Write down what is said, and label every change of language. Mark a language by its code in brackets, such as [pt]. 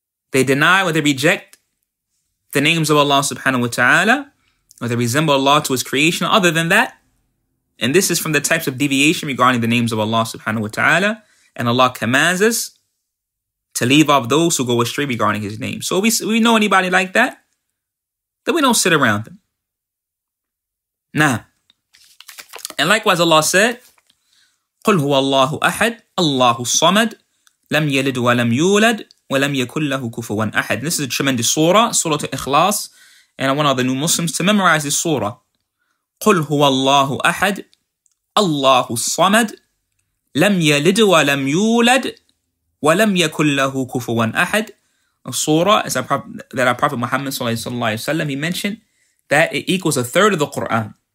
[en] They deny or they reject the names of Allah subhanahu wa ta'ala, or they resemble Allah to his creation. Other than that, And this is from the types of deviation regarding the names of Allah subhanahu wa ta'ala. And Allah commands us to leave off those who go astray regarding His name. So we know anybody like that, then we don't sit around them. Nah. And likewise Allah said, [ar] قُلْ هُوَ اللَّهُ أَحَدٌ اللَّهُ الصَّمَدُ لَمْ يَلِدْ وَلَمْ يُولَدْ وَلَمْ يَكُنْ لَهُ كُفُوًا أَحَدٌ. [en] This is a tremendous surah, Surah Al-Ikhlas. And I want all the new Muslims to memorize this surah. [ar] قُلْ هُوَ اللَّهُ أَحَدٌ اللَّهُ الصَّمَدُ لَمْ يَلِدْ وَلَمْ يُولَدْ وَلَمْ يَكُنْ لَهُ كُفُوًا أَحَدٌ. [en] A surah is that our Prophet Muhammad sallallahu alaihi wasallam, he mentioned that it equals a third of the Quran.